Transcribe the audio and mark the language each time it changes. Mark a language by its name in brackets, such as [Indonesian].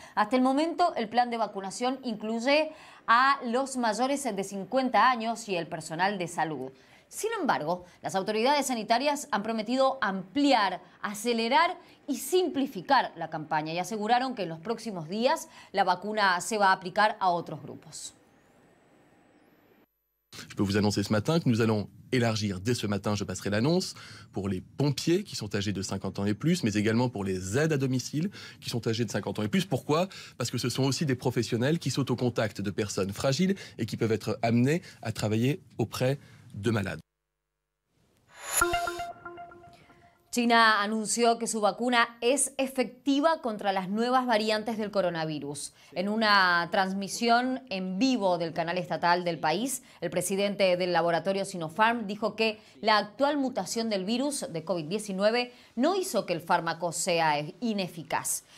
[Spanish] Hasta el momento, el plan de vacunación incluye a los mayores de 50 años y el personal de salud. Sin embargo, las autoridades sanitarias han prometido ampliar, acelerar y simplificar la campaña y aseguraron que en los próximos días la vacuna se va a aplicar a otros grupos. [French] Je peux vous annoncer ce matin que nous allons élargir dès ce matin, je passerai l'annonce, pour les pompiers qui sont âgés de 50 ans et plus, mais également pour les aides à domicile qui sont âgés de 50 ans et plus. Pourquoi ? Parce que ce sont aussi des professionnels qui sont au contact de personnes fragiles et qui peuvent être amenés à travailler auprès de malades. [Spanish] China anunció que su vacuna es efectiva contra las nuevas variantes del coronavirus. En una transmisión en vivo del canal estatal del país, el presidente del laboratorio Sinopharm dijo que la actual mutación del virus de COVID-19 no hizo que el fármaco sea ineficaz.